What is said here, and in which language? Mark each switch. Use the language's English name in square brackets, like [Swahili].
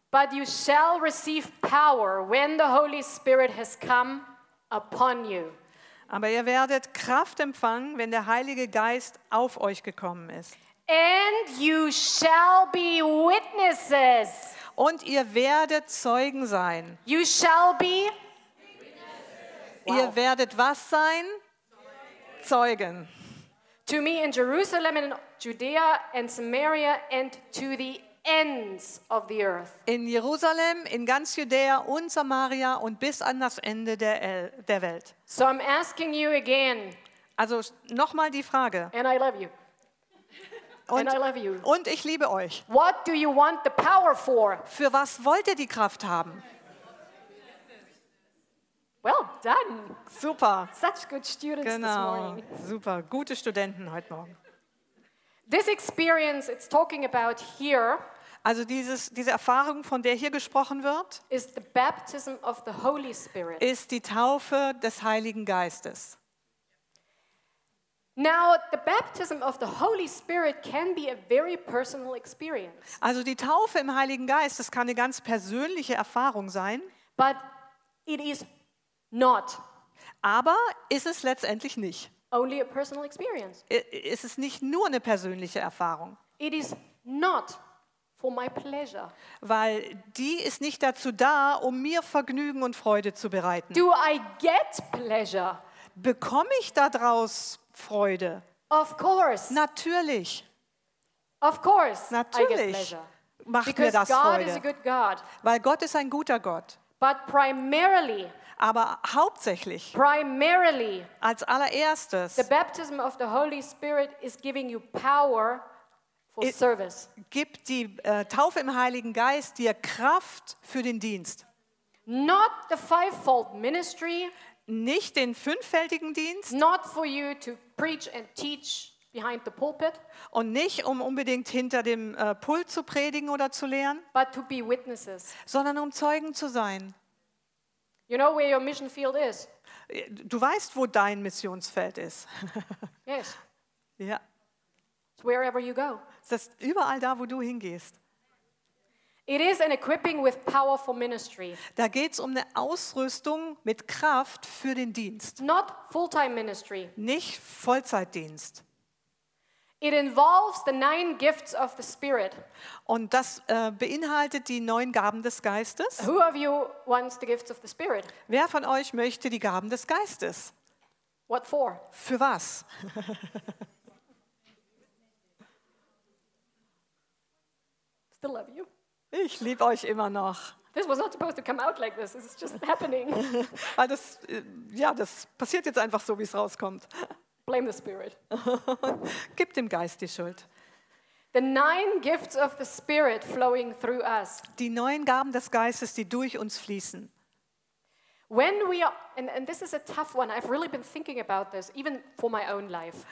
[English] But you shall receive power when the Holy Spirit has come upon you. [German] Aber ihr werdet Kraft empfangen, wenn der Heilige Geist auf euch gekommen ist. [English] And you shall be witnesses. [German] Und ihr werdet Zeugen sein. [English] You shall be witnesses. [German] Ihr werdet was sein? Zeugen. [English] To me in Jerusalem and Judea and Samaria and to the ends of the earth. [German] In Jerusalem, in ganz Judäa und Samaria und bis an das Ende der Welt. [English] So I'm asking you again. [German] Also nochmal die Frage. [English] And I love you. And I love you. [German] Und ich liebe euch. [English] What do you want the power for? [German] Für was wollt ihr die Kraft haben? [English] Well done. [German] Super. [English] Such good students [German] genau. [English] This morning. [German] Super. Gute Studenten heute Morgen. [English] This experience it's talking about here. [German] Also diese Erfahrung, von der hier gesprochen wird, is the baptism of the Holy Spirit. Ist die Taufe des Heiligen Geistes. [English] Now the baptism of the Holy Spirit can be a very personal experience. [German] Also die Taufe im Heiligen Geist, das kann eine ganz persönliche Erfahrung sein. [English] But it is not. [German] Aber ist es letztendlich nicht. [English] Only a personal experience. [German] Ist es nicht nur eine persönliche Erfahrung. [English] It is not for my pleasure. [German] Weil die ist nicht dazu da, um mir Vergnügen und Freude zu bereiten. [English] Do I get pleasure? [German] Bekomme ich daraus Freude? [English] Of course. [German] Natürlich. [English] Of course. [German] Natürlich. [English] I get pleasure. [German] Macht [English] Because [German] mir das [English] God [German] Freude. [English] Is a good God. [German] Weil Gott ist ein guter Gott. [English] But primarily. [German] Aber hauptsächlich. [English] Primarily. [German] Als allererstes. [English] The baptism of the Holy Spirit is giving you power for service. [German] Gibt die Taufe im Heiligen Geist dir Kraft für den Dienst. [English] Not the fivefold ministry. [German] Nicht den fünffältigen Dienst. [English] Not for you to preach and teach behind the pulpit. [German] Und nicht, um unbedingt hinter dem Pult zu predigen oder zu lehren. [English] But to be witnesses. [German] Sondern um Zeugen zu sein. [English] You know where your mission field is. [German] Du weißt, wo dein Missionsfeld ist. [English] Yes. [German] Ja. [English] It's wherever you go. [German] Es ist überall da, wo du hingehst. [English] It is an equipping with power for ministry. [German] Da geht's um eine Ausrüstung mit Kraft für den Dienst. [English] Not full-time ministry. [German] Nicht Vollzeitdienst. [English] It involves the 9 gifts of the Spirit. [German] Und das beinhaltet die 9 Gaben des Geistes. [English] Who of you wants the gifts of the Spirit? [German] Wer von euch möchte die Gaben des Geistes? [English] What for? [German] Für was? [English] Still love you. [German] Ich liebe euch immer noch. [English] This was not supposed to come out like this. This is just happening. [German] das passiert jetzt einfach so, wie es rauskommt. [English] Blame the Spirit. [German] Gib dem Geist die Schuld. [English] The 9 gifts of the Spirit flowing through us. [German] Die 9 Gaben des Geistes, die durch uns fließen. [English] When we are, and this is a tough one. I've really been thinking about this, even for my own life.